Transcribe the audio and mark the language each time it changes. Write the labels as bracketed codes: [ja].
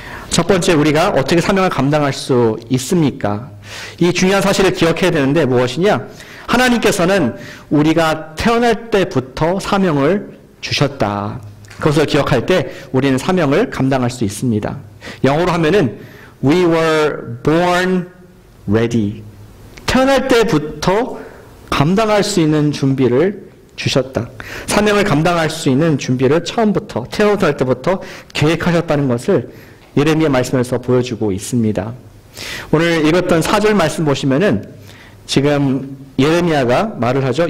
[ko] 첫 번째, 우리가 어떻게 사명을 감당할 수 있습니까? 이 중요한 사실을 기억해야 되는데 무엇이냐? 하나님께서는 우리가 태어날 때부터 사명을 주셨다. 그것을 기억할 때 우리는 사명을 감당할 수 있습니다. 영어로 하면은 [en] We were born ready. [ko] 태어날 때부터 감당할 수 있는 준비를 주셨다. 사명을 감당할 수 있는 준비를 처음부터, 태어날 때부터 계획하셨다는 것을 예레미야 말씀에서 보여주고 있습니다. 오늘 읽었던 4절 말씀 보시면은 지금 예레미야가 말을 하죠.